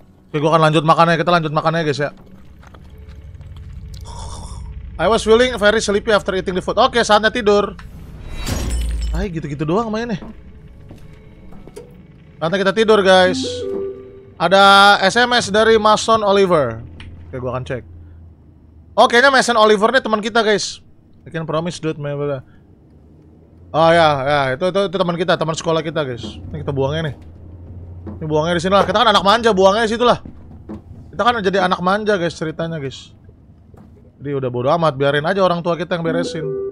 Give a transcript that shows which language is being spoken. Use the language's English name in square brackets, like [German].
[Indonesian] Oke, gue akan lanjut makannya. Kita lanjut makannya, guys, ya. [English] I was feeling very sleepy after eating the food. [Indonesian] Oke, okay, saatnya tidur. Ay, gitu-gitu doang mainnya. Nanti kita tidur, guys. Ada SMS dari Mason Oliver. Oke, gue akan cek. Oke, kayaknya Mason Oliver nih teman kita, guys. [English] I can promise dude, maybe. [Indonesian] Oh ya, yeah, ya yeah. itu teman kita, teman sekolah kita, guys. Ini kita buangnya nih. Ini buangnya di sini lah. Kita kan anak manja, buangnya di situ lah. Kita kan jadi anak manja, guys, ceritanya, guys. Jadi udah bodo amat, biarin aja orang tua kita yang beresin.